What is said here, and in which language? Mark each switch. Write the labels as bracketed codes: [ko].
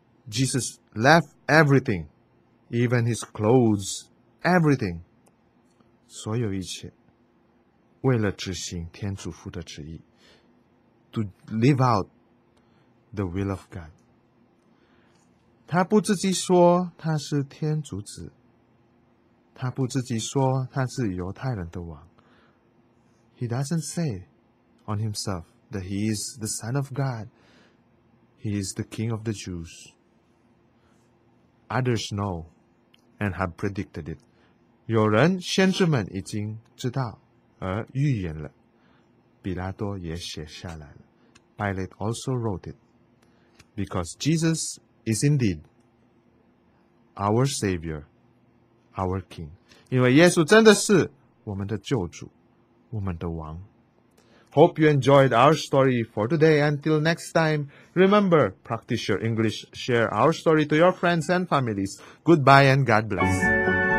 [en] Jesus left everything。 Even his clothes, everything, [zh] 所有一切，为了执行天主父的旨意 [en] ，to live out the will of God. [zh] 他不自己说他是天主子，他不自己说他是犹太人的王。 [en] He doesn't say on himself that he is the Son of God. He is the King of the Jews. Others know. And have predicted it. [zh] 有人先知们已经知道而预言了。比拉多也写下来了。 [en] Pilate also wrote it. Because Jesus is indeed our Savior, our King. [zh] 因为耶稣真的是我们的救主，我们的王。 [en] Hope you enjoyed our story for today. Until next time, remember, practice your English. Share our story to your friends and families. Goodbye and God bless.